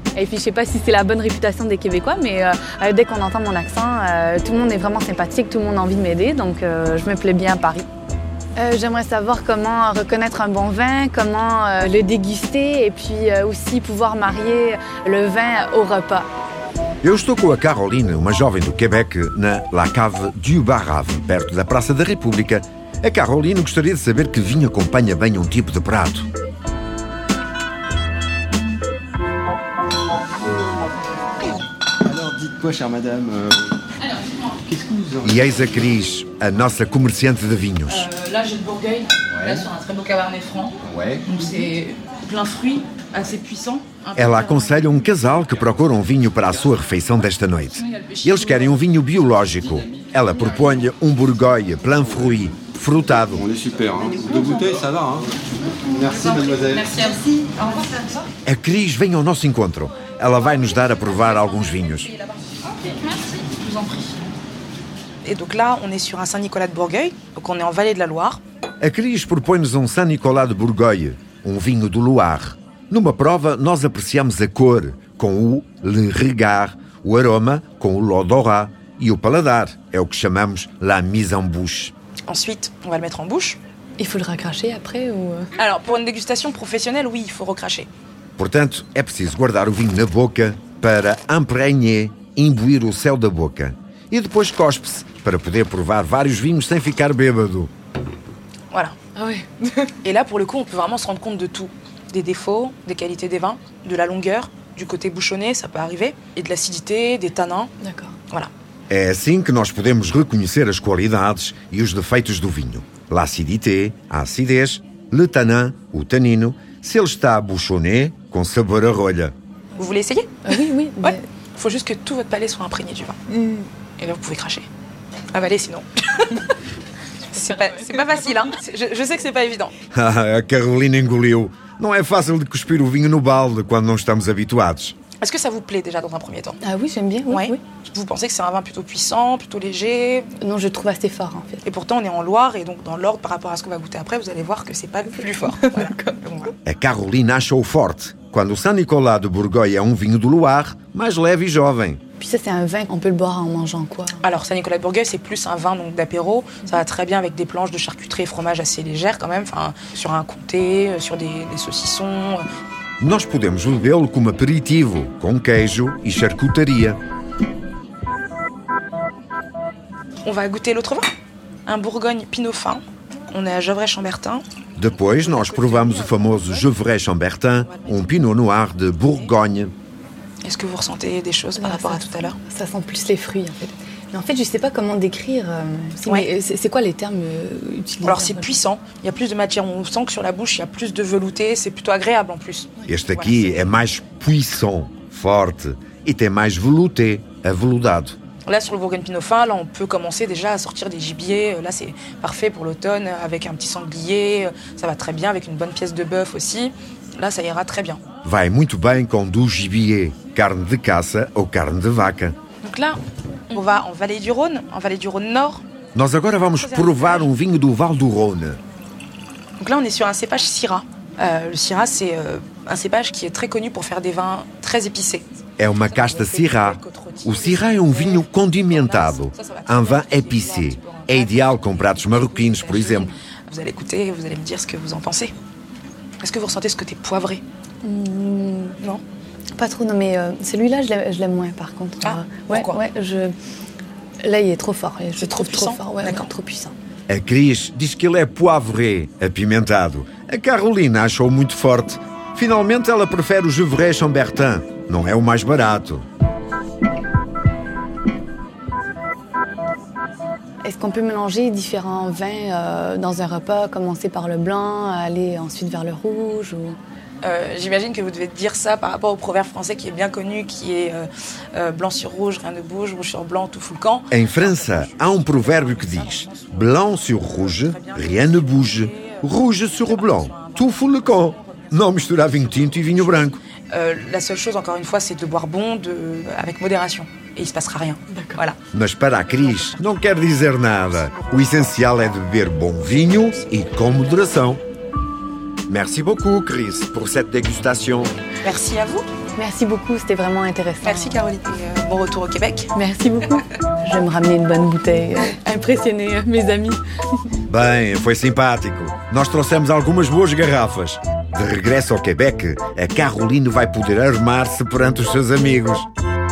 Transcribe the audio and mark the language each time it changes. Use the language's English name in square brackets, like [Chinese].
[French] Et puis je sais pas si c'est la bonne réputation des Québécois, mais dès qu'on entend mon accent, tout le monde est vraiment sympathique, tout le monde a envie de m'aider, donc je me plais bien à Paris. J'aimerais savoir comment reconnaître un bon vin, comment le déguster et puis aussi pouvoir marier le vin au repas. [Portuguese] Eu estou com a Caroline, uma jovem do Quebec, na La Cave du Barrave, perto da Praça da República. A Caroline gostaria de saber que vinho acompanha bem tipo de prato. [French] Alors, dites-moi, chère madame. [Portuguese] E eis a Cris, a nossa comerciante de vinhos. [French] Là, j'ai le Bourgueil, ouais. Là, sur un très beau Cabernet Franc. Ouais. Donc, c'est plein fruit, assez puissant. [Portuguese] Ela aconselha casal que procura vinho para a sua refeição desta noite. Eles querem vinho biológico. Ela propõe-lhe Bourgueil [French] plein fruit, [Portuguese] frutado. [French] On est super, hein? Deux bouteilles, ça va, hein? Merci, mademoiselle. Merci, merci. Au revoir, [Portuguese] ça. A Cris vem ao nosso encontro. Ela vai nos dar a provar alguns vinhos. [French] Et donc là, on est sur un Saint-Nicolas de Bourgueil, donc on est en vallée de la Loire. [Portuguese] A Cris propõe-nos Saint-Nicolas de Bourgueil, vinho de Loire. Numa prova, nós apreciamos a cor, com [French] le regard, [Portuguese] o aroma, com l'odorat, e o paladar, é o que chamamos [French] la mise en bouche. Ensuite, on va le mettre en bouche. Il faut le recracher après ou... Alors, pour une dégustation professionnelle, oui, il faut recracher. [Portuguese] Portanto, é preciso guardar vinho na boca para imprégner, imbuir o céu da boca. E depois cospe-se, para poder provar vários vinhos sem ficar bêbado. [French] Voilà. Ah oui. Et là, pour le coup, on peut vraiment se rendre compte de tout. Des défauts, des qualités des vins, de la longueur, du côté bouchonné, ça peut arriver, et de l'acidité, des tanins. D'accord. Voilà. [Portuguese] É assim que nós podemos reconhecer as qualidades e os defeitos do vinho. L'acidité, a acidez, le tanin, o tanino, se ele está bouchonné, com sabor à rolha. [French] Vous voulez essayer? Oui, oui. Ouais. Mais... Faut juste que tout votre palais soit imprégné du vin. Et là, vous pouvez cracher. Avaler, sinon. C'est pas facile, hein. Je sais que c'est pas évident. [Portuguese] Ah, a Caroline engoliu. Não é fácil de cuspir vinho no balde quando não estamos habituados. [French] Est-ce que ça vous plaît déjà dans un premier temps? Ah oui, j'aime bien, oui, ouais. Oui. Vous pensez que c'est un vin plutôt puissant, plutôt léger? Non, je trouve assez fort, en fait. Et pourtant, on est en Loire, et donc dans l'ordre par rapport à ce qu'on va goûter après, vous allez voir que c'est pas plus fort. Voilà. D'accord. [Portuguese] A Caroline achou forte. Quando o Saint-Nicolas de Bourgueil é vinho do Loire, mais leve e jovem. [French] Puis ça, c'est un vin qu'on peut le boire en mangeant quoi? Alors, Saint-Nicolas de Bourgueil, c'est plus un vin donc, d'apéro. Ça va très bien avec des planches de charcuterie et fromage assez légères quand même, enfin, sur un comté, sur des saucissons. [Portuguese] Nós podemos bebê-lo como aperitivo, com queijo e charcutaria. [French] On va goûter l'autre vin? Un Bourgogne Pinot Fin. On est à Gevrey-Chambertin. [Portuguese] Depois, nós provamos o famoso Gevrey-Chambertin, Pinot Noir de Bourgogne. [French] Est-ce que vous ressentez des choses par rapport à tout à l'heure? Ça sent plus les fruits, en fait. Mais en fait, je ne sais pas comment décrire. Ouais. C'est quoi les termes utilisés? Alors, c'est puissant. Il y a plus de matière. On sent que sur la bouche, il y a plus de velouté. C'est plutôt agréable, en plus. [Portuguese] Este aqui voilà, est mais puissant, forte. Et tem mais velouté, aveludado. [French] Là, sur le Bourgogne Pinot Fin, là, on peut commencer déjà à sortir des gibiers. Là, c'est parfait pour l'automne, avec un petit sanglier. Ça va très bien, avec une bonne pièce de bœuf aussi. Là, ça ira très bien. [Portuguese] Vai muito bem com [French] du gibier. [Portuguese] Carne de caça ou carne de vaca. [French] Donc là, on va en Vallée du Rhône, en Vallée du Rhône Nord. [Portuguese] Nós agora vamos provar vinho do Val do Rhône. [French] Donc là, on est sur un cépage Syrah. Le Syrah, c'est un cépage qui est très connu pour faire des vins très épicés. [Portuguese] É uma casta Syrah. O Syrah é vinho condimentado, [French] vin épicé. [Portuguese] É ideal com pratos marroquinos, por exemplo. [French] Vous allez écouter, vous allez me dire ce que vous en pensez. Est-ce que vous ressentez ce côté poivré? Non. Pas trop, non, mais celui-là, je l'aime moins, par contre. Ah, ouais, pourquoi? Ouais, là, il est trop fort. C'est trop puissant? Trop fort, ouais, d'accord. Ouais, trop puissant. [Portuguese] A Cris diz que ele é poivré, apimentado. A Caroline achou muito forte. Finalmente, ela prefere o Gevrey Chambertin. Não é o mais barato. [French] Est-ce qu'on peut mélanger différents vins dans un repas, commencer par le blanc, aller ensuite vers le rouge ou... J'imagine que vous devez dire ça par rapport au proverbe français qui est bien connu, qui est blanc sur rouge, rien ne bouge, rouge sur blanc, tout fout le camp. En France, il y a proverbe qui dit blanc sur rouge, rien ne bouge, rouge sur blanc, tout fout le camp. Non, [Portuguese] mistura vinho tinto [French] et [Portuguese] vinho branco. [French] La seule chose, encore une fois, c'est de boire bon, avec modération. Et il se passera rien. D'accord. Voilà. [Portuguese] Mas para a Cris, não quer dizer nada. O essencial é de beber bom vinho e com moderação. [French] Merci beaucoup, Cris, pour cette dégustation. Merci à vous. Merci beaucoup, c'était vraiment intéressant. Merci Caroline, bon retour au Québec. Merci beaucoup. Je vais me ramener une bonne bouteille. Impressionner mes amis. [Portuguese] Bem, foi simpático. Nós trouxemos algumas boas garrafas. De regresso ao Québec, a Caroline vai poder armar-se perante os seus amigos.